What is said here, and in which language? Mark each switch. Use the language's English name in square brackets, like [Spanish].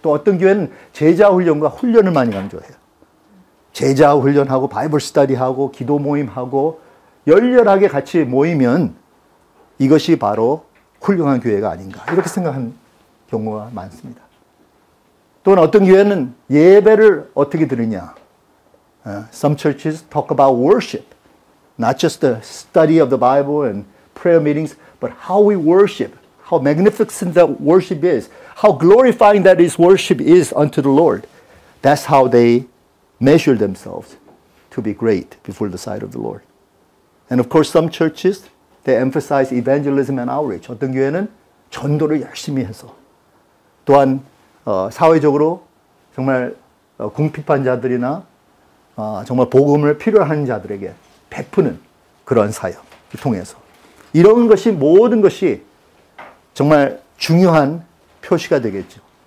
[Korean] 또 어떤 교회는 제자 훈련과 훈련을 많이 강조해요. 제자 훈련하고 바이블 스터디하고 기도 모임하고 열렬하게 같이 모이면 이것이 바로 훌륭한 교회가 아닌가 이렇게 생각하는 경우가 많습니다. 또는 어떤 교회는 예배를 어떻게 드리냐. [English] Some churches talk about worship. Not just the study of the Bible and prayer meetings, but how we worship, how magnificent that worship is, how glorifying that is worship is unto the Lord. That's how they measure themselves to be great before the sight of the Lord. And of course, some churches, they emphasize evangelism and outreach. [Korean] 어떤 교회는 전도를 열심히 해서 또한 사회적으로 정말 궁핍한 자들이나 정말 복음을 필요한 자들에게 베푸는 그런 사역을 통해서 이런 것이 모든 것이 정말 중요한 표시가 되겠죠.